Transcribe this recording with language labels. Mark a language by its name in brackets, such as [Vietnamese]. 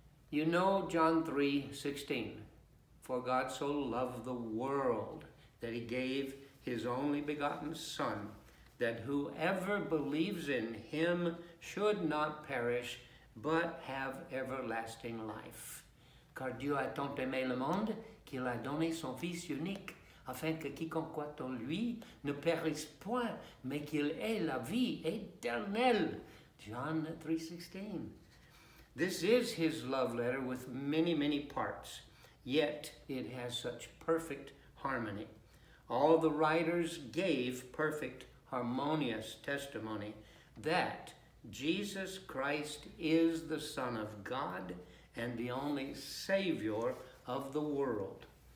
[English] You know John 3:16, for God so loved the world that he gave his only begotten Son, that whoever believes in him should not perish but have everlasting life. [French] Car Dieu a tant aimé le monde qu'il a donné son Fils unique, afin que quiconque croit en lui ne périsse point, mais qu'il ait la vie éternelle. [English] John 3:16. This is his love letter with many, many parts, yet it has such perfect harmony. All the writers gave perfect, harmonious testimony that Jesus Christ is the Son of God and the only Savior of the world.